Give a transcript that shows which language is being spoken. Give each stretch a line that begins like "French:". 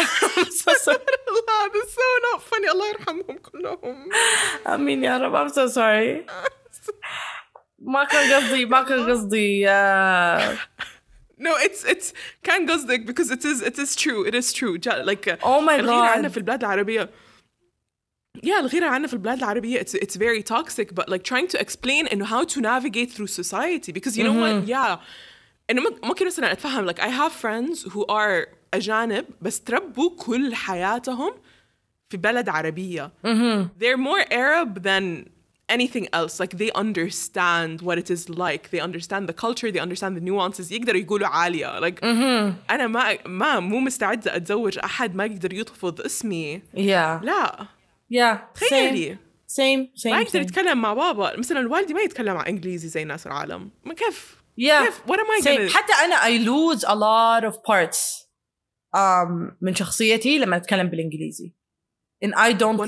English: I'm so sorry. This is so not funny.
Arabic: Allah yarhamhum kullahum. Amin ya Rab.
English: I'm so sorry.
Arabic: Ma kan qasdi.
English: No, it's
Arabic: kan qasdik
English: because it is true. It is true. Like oh my god.
Arabic: الغيرة عنا في البلاد العربية. Yeah, الغيرة عنا في البلاد العربية.
English: It's very toxic. But like trying to explain and how to navigate through society because you mm-hmm. know what? Yeah. And
Arabic: ممكن مثلا أتفهم.
English: Like I have friends who are.
Arabic: أجانب بس تربوا كل حياتهم في بلد عربية mm-hmm.
English: they're more Arab than anything else like they understand what it is like they understand the culture they understand the nuances
Arabic: يقدروا يقولوا عالية
English: like mm-hmm.
Arabic: أنا ما مستعدة أتزوج أحد ما يقدر يطفض اسمي
English: yeah.
Arabic: لا
English: yeah.
Arabic: تخيلي
English: same.
Arabic: ما يقدر يتكلم مع بابا مثلا والدي ما يتكلم مع إنجليزي زي ناس العالم ما كيف
English: yeah. كيف what am I same. Gonna...
Arabic: حتى أنا
English: I lose a lot of parts
Arabic: من شخصيتي لما أتكلم بالإنجليزي
English: and I don't 100%.